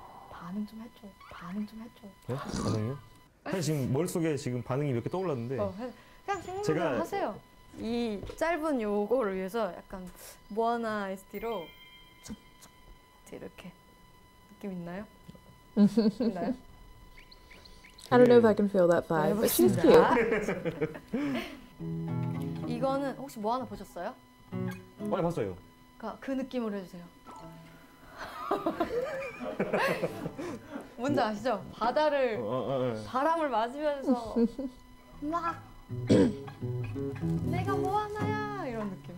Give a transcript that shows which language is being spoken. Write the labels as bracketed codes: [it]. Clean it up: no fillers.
[ko] 반응 좀 해줘. 반응 좀 해줘. 네? 반응이요? 사실 지금 머릿속에 지금 반응이 몇 개 떠올랐는데 그냥 생각을 제가 하세요. 이 짧은 요거를 위해서 약간 모아나 OST로 이렇게 느낌 있나요? 있나요? [en] I don't know if I can feel that vibe, but she's cute. [ko] 이거는 혹시 모아나 보셨어요? 네, 봤어요. 그 느낌으로 해주세요. 뭔지 아시죠? 바다를 바람을 맞으면서 막 내가 뭐 하나야 이런 느낌.